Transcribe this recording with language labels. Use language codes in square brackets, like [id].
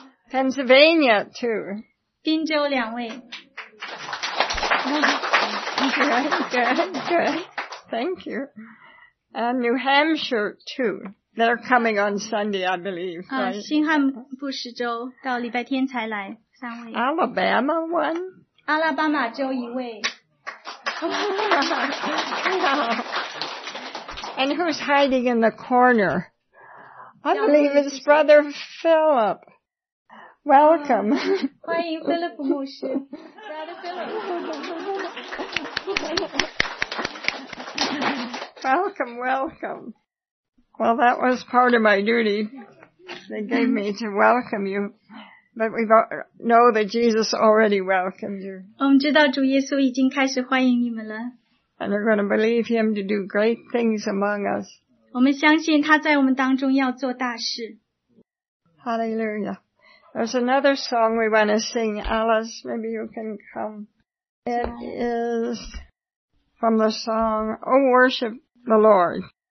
[en] Pennsylvania, 2. [zh] 宾州两位。 [en] Good, good, good. Thank you. And New Hampshire, 2. They're coming on Sunday, I believe. Right? [zh] 新汉布什州到礼拜天才来, 三位。 [en] Alabama one? [zh] 阿拉巴马州一位。 [en] And who's hiding in the corner? I believe it's Brother Philip. Welcome. [zh] 欢迎菲利普牧师, Brother Philip. [en] Welcome, welcome. Well, that was part of my duty they gave me to welcome you. But we know that Jesus already welcomed you. [zh] 我们知道主耶稣已经开始欢迎你们了。 [en] And we're going to believe him to do great things among us. [zh] 我们相信他在我们当中要做大事。 [en] Hallelujah. There's another song we want to sing. Alice, maybe you can come. It is from the song, O Worship the Lord.